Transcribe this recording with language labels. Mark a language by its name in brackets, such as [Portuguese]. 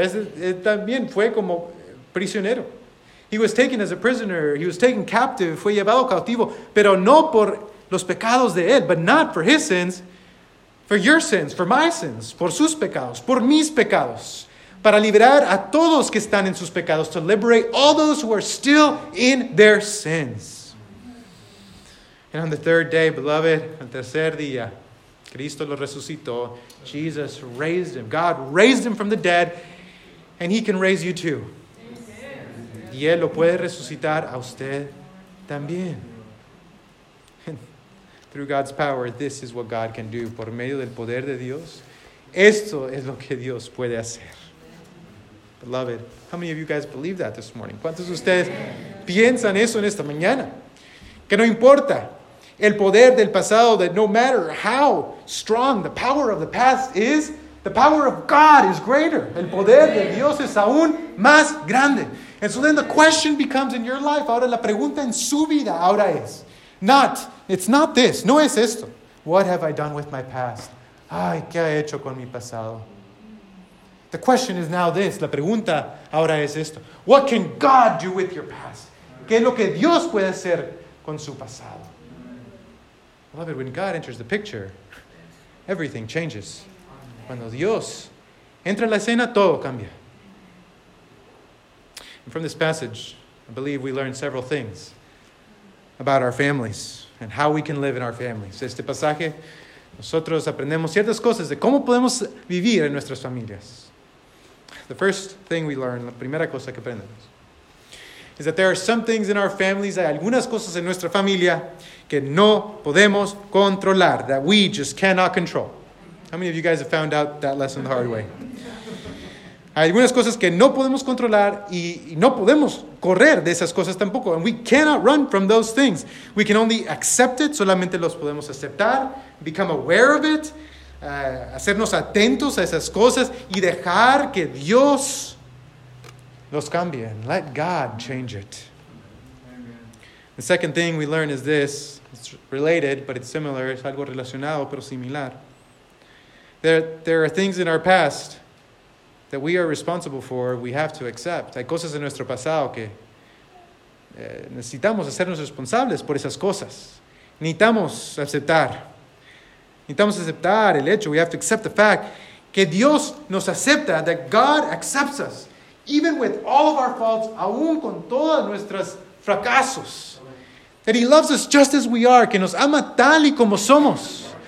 [Spanish] También fue como prisionero. [English] He was taken as a prisoner. He was taken captive. [Spanish] Fue llevado cautivo. Pero no por los pecados de él. [English] But not for his sins. For your sins. For my sins. [Spanish] Por sus pecados. Por mis pecados. Para liberar a todos que están en sus pecados. [English] To liberate all those who are still in their sins. And on the third day, beloved, [Spanish] el tercer día, Cristo lo resucitó. [English] Jesus raised him. God raised him from the dead. And he can raise you too. [Spanish] Y él lo puede resucitar a usted también. [English] And through God's power, this is what God can do. [Spanish] Por medio del poder de Dios, esto es lo que Dios puede hacer. [English] Beloved, how many of you guys believe that this morning? [Spanish] ¿Cuántos de ustedes piensan eso en esta mañana? Que no importa el poder del pasado, [English] that no matter how strong the power of the past is, the power of God is greater. [Spanish] El poder de Dios es aún más grande. [English] And so then the question becomes in your life, [Spanish] ahora la pregunta en su vida ahora es, no es esto. [English] What have I done with my past? [Spanish] Ay, ¿qué ha hecho con mi pasado? [English] The question is now this. [Spanish] La pregunta ahora es esto. [English] What can God do with your past? [Spanish] ¿Qué es lo que Dios puede hacer con su pasado? [English] Beloved, when God enters the picture, everything changes. [Spanish] Cuando Dios entra en la escena, todo cambia. [English] And from this passage, I believe we learn several things about our families and how we can live in our families. [Spanish] Este pasaje, nosotros aprendemos ciertas cosas de cómo podemos vivir en nuestras familias. [English] The first thing we learn, [Spanish] la primera cosa que aprendemos, [English] is that there are some things in our families, [Spanish] hay algunas cosas en nuestra familia que no podemos controlar, [English] that we just cannot control. How many of you guys have found out that lesson the hard way? [Spanish] Hay algunas cosas que no podemos controlar y no podemos correr de esas cosas tampoco. [English] And we cannot run from those things. We can only accept it. [Spanish] Solamente los podemos aceptar. [English] Become aware of it. [Spanish] Hacernos atentos a esas cosas y dejar que Dios los cambie. [English] And let God change it. Amen. The second thing we learn is this. It's related, but it's similar. [Spanish] Es algo relacionado, pero similar. [English] There are things in our past that we are responsible for, we have to accept. [Spanish] Hay cosas en nuestro pasado que necesitamos hacernos responsables por esas cosas. Necesitamos aceptar. Necesitamos aceptar el hecho. [English] We have to accept the fact [Spanish] que Dios nos acepta, [English] that God accepts us. Even with all of our faults, [Spanish] aún con todos nuestros fracasos. [English] That He loves us just as we are, [Spanish] que nos ama tal y como somos.